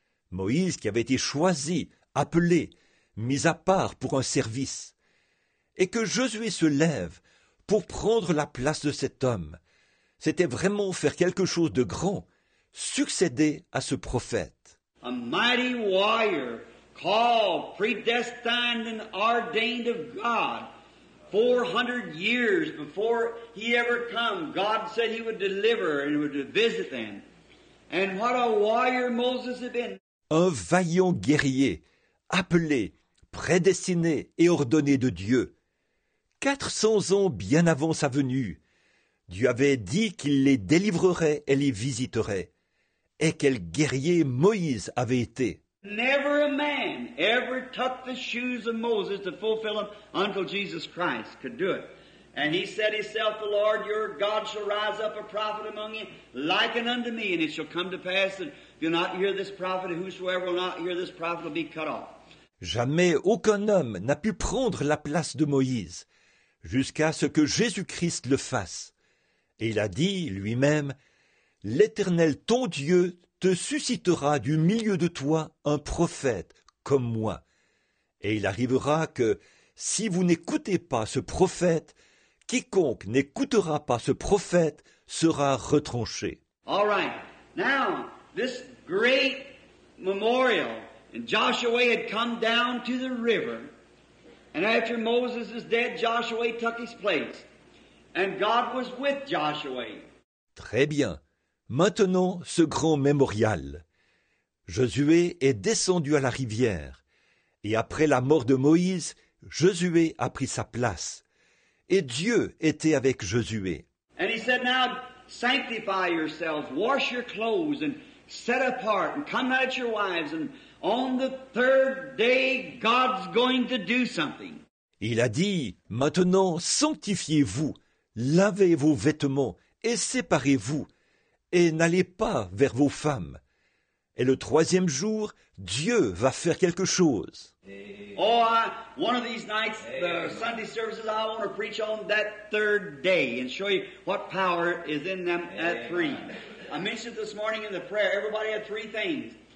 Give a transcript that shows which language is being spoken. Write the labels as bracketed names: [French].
[French] Moïse qui avait été choisi, appelé, mis à part pour un service. Et que Josué se lève pour prendre la place de cet homme, c'était vraiment faire quelque chose de grand, succéder à ce prophète. [English] A mighty warrior called, predestined and ordained of God. 400 years before he ever come, God said he would deliver and would visit them. And what a warrior Moses had been. [French] Un vaillant guerrier, appelé, prédestiné et ordonné de Dieu. 400 ans bien avant sa venue, Dieu avait dit qu'il les délivrerait et les visiterait. Et quel guerrier Moïse avait été. [English] Never a man ever took the shoes of Moses to fulfill them until Jesus Christ could do it. And he said himself, the Lord your God shall rise up a prophet among you, likened unto me, and it shall come to pass that if you'll not hear this prophet, whosoever will not hear this prophet will be cut off. [French] Jamais aucun homme n'a pu prendre la place de Moïse jusqu'à ce que Jésus-Christ le fasse. Et il a dit lui-même, l'Éternel ton Dieu te suscitera du milieu de toi un prophète comme moi. Et il arrivera que, si vous n'écoutez pas ce prophète, quiconque n'écoutera pas ce prophète sera retranché. [English] All right. Now, this great memorial, and Joshua had come down to the river, and after Moses is dead, Joshua took his place, and God was with Joshua. [French] Très bien. Maintenant, ce grand mémorial. Josué est descendu à la rivière, et après la mort de Moïse, Josué a pris sa place. Et Dieu était avec Josué. [English] And he said, now sanctify yourselves, wash your clothes, and set apart, and come out your wives, and on the third day, God's going to do something. [French] Il a dit, maintenant sanctifiez-vous, lavez vos vêtements, et séparez-vous. Et n'allez pas vers vos femmes. Et le troisième jour, Dieu va faire quelque chose. [English] Oh, one of these nights, the Sunday services, I want to preach on that third day and show you what power is in them at three. I mentioned this morning in the prayer, everybody had three things.